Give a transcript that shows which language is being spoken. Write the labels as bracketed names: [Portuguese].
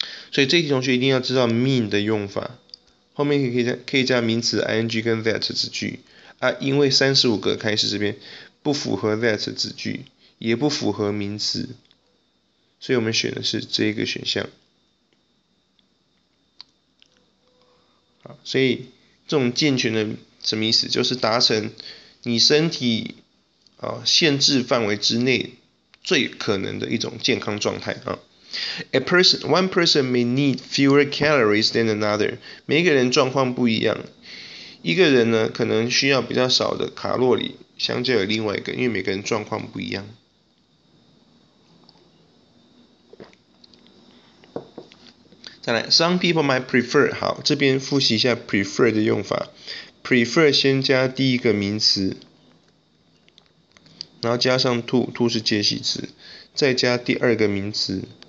[Chinese] 所以这题同学一定要知道 mean 的用法，后面可以加名词 ing 跟 that 子句啊，因为35个开始这边不符合 that 子句，也不符合名词，所以我们选的是这个选项。好，所以这种健全的什么意思？就是达成你身体限制范围之内最可能的一种健康状态啊。 [English] One person may need fewer calories than another. [Chinese] 每个人状况不一样。一个人呢，可能需要比较少的卡路里，相较于另外一个，因为每个人状况不一样。再来 [English] ，some people might prefer. [Chinese] 好，这边复习一下 prefer 的用法。prefer 先加第一个名词，然后加上 to 是介系词，再加第二个名词。